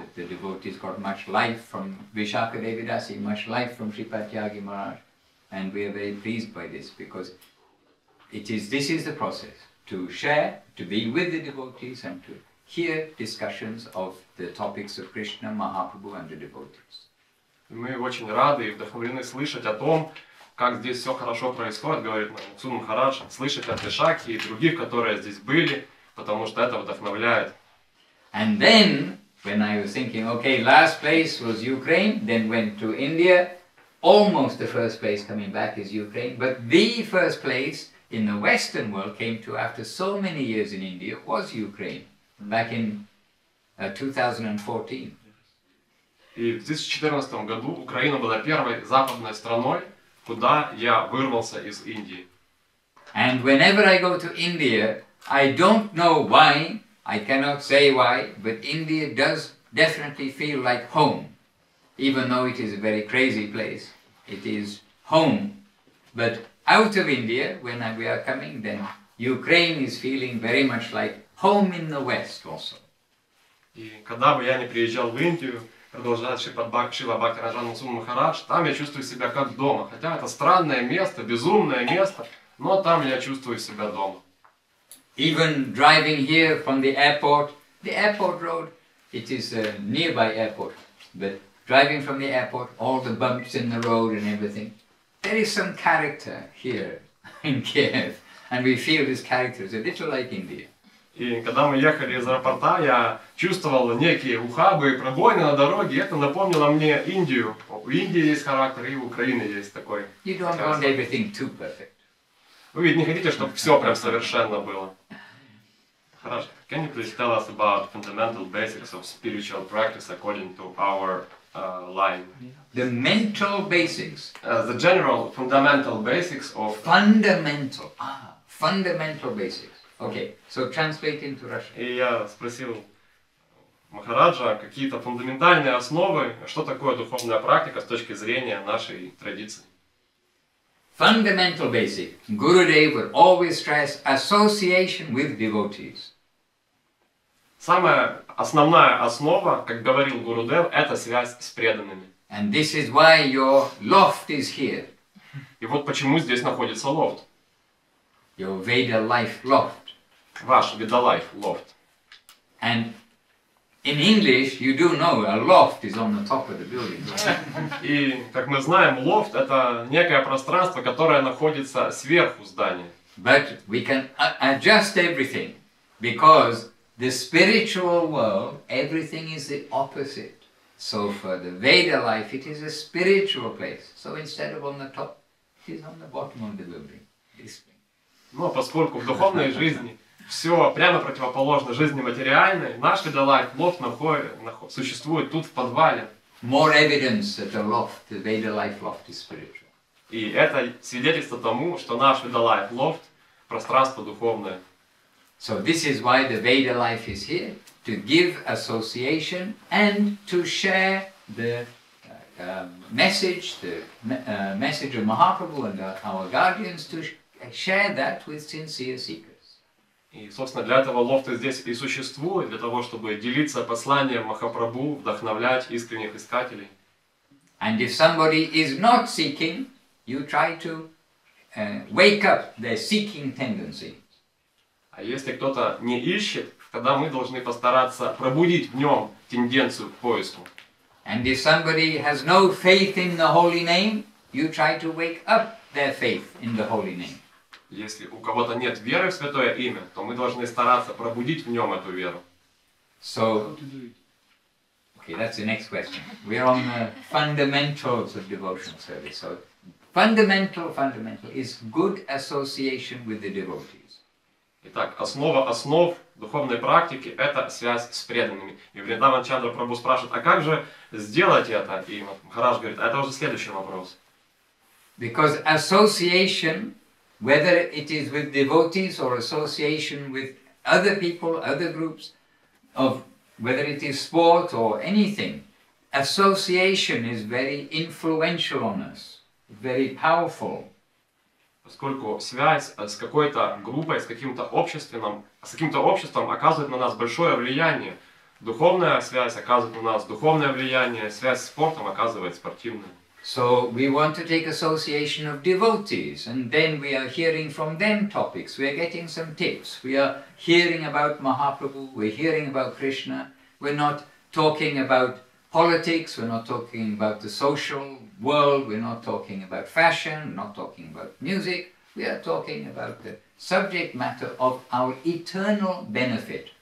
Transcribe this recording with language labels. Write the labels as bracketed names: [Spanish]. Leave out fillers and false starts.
[English] The devotees got much life from Vishakha Devadasi, much life from Sripad Tyagi Maharaj, and we are very pleased by this, because this is the process, to share, to be with the devotees, and to hear discussions of the topics of Krishna, Mahaprabhu and the devotees. [Russian] Мы очень рады и вдохновлены слышать о том, как здесь все хорошо происходит, говорит Мусун Махарадж, слышать от Вишакхи и других, которые здесь были, потому что это вдохновляет. [English] And then, when I was thinking, okay, last place was Ukraine, then went to India, almost the first place coming back is Ukraine, but the first place in the Western world came to after so many years in India was Ukraine, back in 2014. [Russian] И в 2014 году Украина была первой западной страной, куда я вырвался из Индии. [English] And whenever I go to India, I don't know why, I cannot say why, but India does definitely feel like home. Even though it is a very crazy place, it is home. But out of India, when we are coming, then Ukraine is feeling very much like home in the West also. [Russian] И когда бы я не приезжал в Индию, продолжает Шипад Бхакшила Бхактаражан Мусун Махарадж, там я чувствую себя как дома. Хотя это странное место, безумное место, но там я чувствую себя дома. [English] Even driving here from the airport road, it is a nearby airport, but driving from the airport, all the bumps in the road and everything, there is some character here in Kiev, and we feel this character is a little like India. [Russian] И когда мы ехали из аэропорта, я чувствовал некие ухабы и пробоины на дороге. Это напомнило мне Индию. В Индии есть характер, и в Украине есть такой. [English] You don't want everything too perfect. [Russian] Вы ведь не хотите, чтобы все прям совершенно было. Хорошо. [English] Can you please tell us about fundamental basics of spiritual practice according to our line? The mental basics. The general fundamental basics of... Fundamental. Fundamental basics. Okay, so translate into Russian. [Russian] И я спросил Махараджа какие-то фундаментальные основы, что такое духовная практика с точки зрения нашей традиции. [English] Fundamental basic. Gurudev would always stress association with devotees. [Russian] Самая основная основа, как говорил Гурудев, это связь с преданными. [English] And this is why your loft is here. [Russian] И вот почему здесь находится лофт. [English] Your Veda life loft. [Russian] Ваш Veda life loft. [English] And in English you do know a loft is on the top of the building. [Russian] И как мы знаем, лофт это некое пространство, которое находится сверху здания. [English] But we can adjust everything because the spiritual world everything is the opposite. So for the Veda life it is a spiritual place. So instead of on the top, it is on the bottom of the building. [Russian] Но поскольку в духовной жизни все прямо противоположно жизни материальной. Наш Veda life loft существует тут в подвале. [English] More evidence that the loft, the Veda life loft is spiritual. [Russian] И это свидетельство тому, что наш Veda life loft пространство духовное. [English] So this is why the Veda life is here to give association and to share the message, the message of Mahaprabhu and our guardians to share that with sincere seekers. [Russian] И, собственно, для этого лофта здесь и существует, для того, чтобы делиться посланием Махапрабху, вдохновлять искренних искателей. [English] And if somebody is not seeking, you try to wake up their seeking tendency. [Russian] А если кто-то не ищет, тогда мы должны постараться пробудить в нем тенденцию к поиску. [English] And if somebody has no faith in the holy name, you try to wake up their faith in the holy name. [Russian] Если у кого-то нет веры в Святое Имя, то мы должны стараться пробудить в нем эту веру. [English] So, okay, that's the next question. We are on the fundamentals of devotion service. So, fundamental is good association with the devotees. [Russian] Итак, основа основ духовной практики – это связь с преданными. И Вриндаван Чандра Прабху спрашивает, а как же сделать это? И Махарадж говорит, а это уже следующий вопрос. [English] Because association... Whether it is with devotees or association with other people, other groups, of whether it is sport or anything, association is very influential on us, very powerful. [Russian] Поскольку связь с какой-то группой, с каким-то обществом, оказывает на нас большое влияние. Духовная связь оказывает на нас духовное влияние, связь с спортом оказывает спортивное. [English] So we want to take association of devotees, and then we are hearing from them topics, we are getting some tips, we are hearing about Mahaprabhu, we're hearing about Krishna, we're not talking about politics, we're not talking about the social world, we're not talking about fashion, we're not talking about music, we are talking about the subject matter of our eternal benefit.